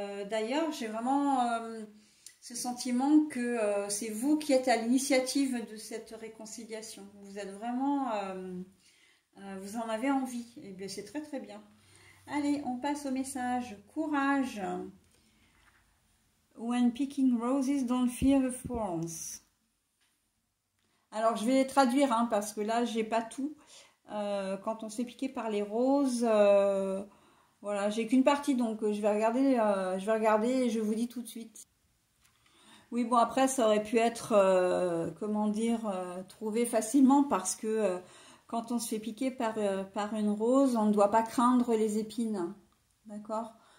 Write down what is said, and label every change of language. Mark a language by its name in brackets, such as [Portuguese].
[French] D'ailleurs, j'ai vraiment... ce sentiment que c'est vous qui êtes à l'initiative de cette réconciliation. Vous êtes vraiment... vous en avez envie. Et bien, c'est très, très bien. Allez, on passe au message. Courage. [English] When picking roses, don't fear the thorns. [French] Alors, je vais traduire, hein, parce que là, j'ai pas tout. Quand on s'est piqué par les roses... voilà, j'ai qu'une partie, donc je vais regarder. Je vais regarder et je vous dis tout de suite. Oui, bon, après, ça aurait pu être, comment dire, trouvé facilement parce que quand on se fait piquer par une rose, on ne doit pas craindre les épines, d'accord?